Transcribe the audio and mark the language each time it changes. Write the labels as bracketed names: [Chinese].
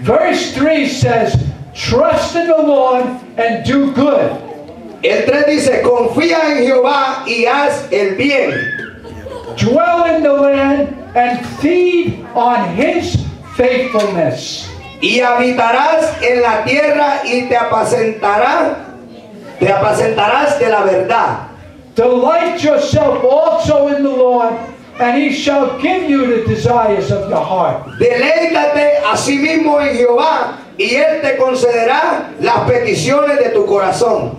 [English] Verse 3 says, "Trust in the Lord and do good." [Spanish] El 3 dice, "Confía en Jehová y haz el bien." [English] Dwell in the land and feed on his faithfulness. [Spanish] Y habitarás en la tierra y te apacentará. Te apacentarás de la verdad. [English] Delight yourself also in the Lord, and he shall give you the desires of your heart. [Spanish] Deleítate a sí mismo en Jehová, y él te concederá las peticiones de tu corazón.